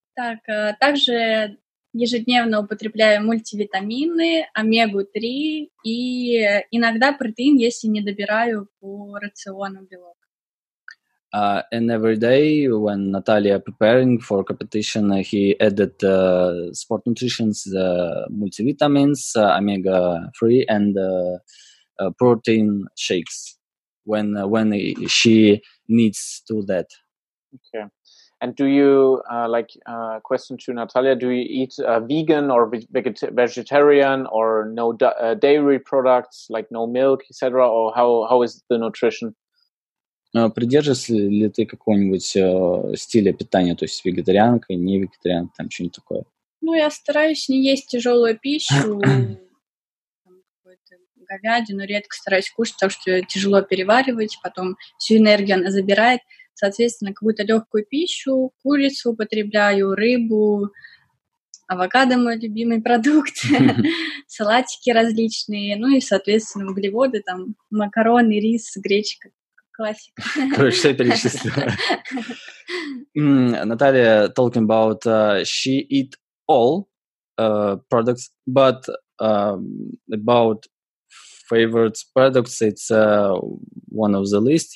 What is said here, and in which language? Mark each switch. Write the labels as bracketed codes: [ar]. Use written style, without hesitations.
[ru] Так, также ежедневно употребляю мультивитамины, омегу-3 и иногда протеин, если не добираю по рациону белок. [en] And every day when Natalia preparing for competition, he added sport nutrition's multivitamins, omega-3 and protein shakes when she needs to that. Okay. And do you, question to Natalia, do you eat vegan or vegetarian or no dairy products, like no milk, etc.? Or how is the nutrition? [ru] Придерживаешься ли ты какого-нибудь стиля питания, то есть вегетарианка, не вегетарианка, там что-нибудь такое? Ну, я стараюсь не есть тяжелую пищу, там, какую-то говядину, редко стараюсь кушать, потому что тяжело переваривать, потом всю энергию она забирает. Соответственно, какую-то легкую пищу, курицу употребляю, рыбу, авокадо мой любимый продукт, салатики различные, ну и, соответственно, углеводы, там, макароны, рис, гречка. [en] Classic. [ru] Короче, все перечислила. [en] Наталья talking about she eat all products, but about favorite products, it's one of the list.